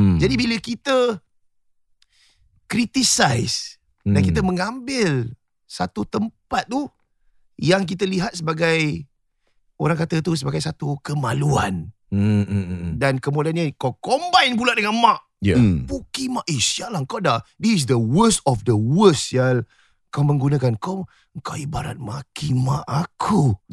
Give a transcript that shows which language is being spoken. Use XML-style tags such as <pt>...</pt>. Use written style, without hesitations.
<ms>Jadi bila kita criticize dan kita mengambil satu tempat tu yang kita lihat sebagai, orang kata tu sebagai satu kemaluan. Dan kemudiannya kau combine pula dengan mak. Puki mak. Eh sialan kau dah.</ms> <en>This is the worst of the worst sial.</en> <ms>Kau menggunakan, kau ibarat maki mak aku.</ms>